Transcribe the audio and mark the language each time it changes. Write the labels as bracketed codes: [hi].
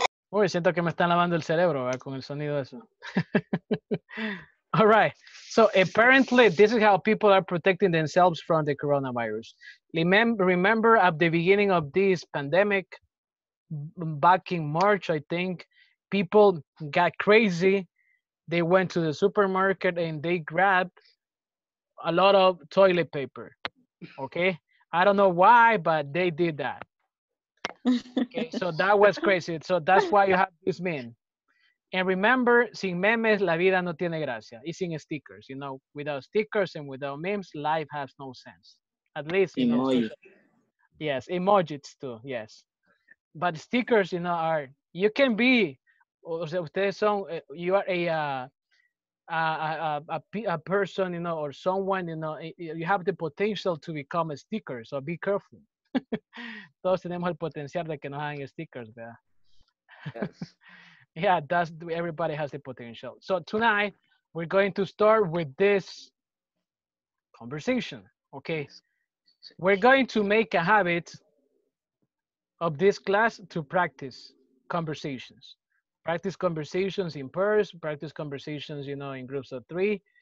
[es] Uy, siento que me están lavando el cerebro, ¿verdad? Con el sonido eso. All right. [en] So apparently, this is how people are protecting themselves from the coronavirus. Remember at the beginning of this pandemic, back in March, I think, people got crazy. They went to the supermarket and they grabbed a lot of toilet paper. Okay? I don't know why, but they did that. Okay, so that was crazy. So that's why you have this meme. And remember, [es] sin memes, la vida no tiene gracia. Y sin stickers, [en] you know, without stickers and without memes, life has no sense. At least, you know. Emoji. Yes, emojis too, yes. But stickers, you know, are, you can be, [es] o sea, ustedes son, [en] you are a person, you know, or someone, you know, you have the potential to become a sticker, so be careful. [es] Todos tenemos el potencial de que nos hagan stickers, ¿verdad? [en] Yes. Yeah, that's, everybody has the potential. So tonight, we're going to start with this conversation, okay? We're going to make a habit of this class to practice conversations. Practice conversations in pairs, practice conversations, you know, in groups of three.